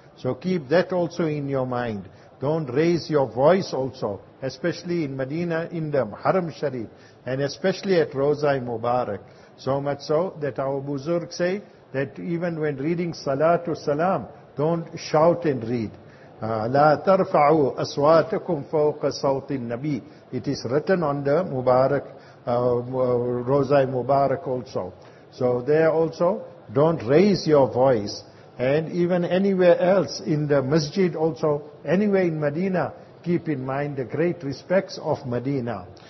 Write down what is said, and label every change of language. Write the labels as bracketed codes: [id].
[en] So keep that also in your mind. Don't raise your voice also, especially in Madina, in the Haram Sharif, and especially at Rozai Mubarak. So much so that our Buzurg say that even when reading Salatu Salam, don't shout and read. [ar] لا ترفعوا أصواتكم فوق صوت النبي. [en] It is written on the Mubarak, Rozai Mubarak also. So there also, don't raise your voice. And even anywhere else in the Masjid also, anywhere in Medina, keep in mind the great respects of Medina.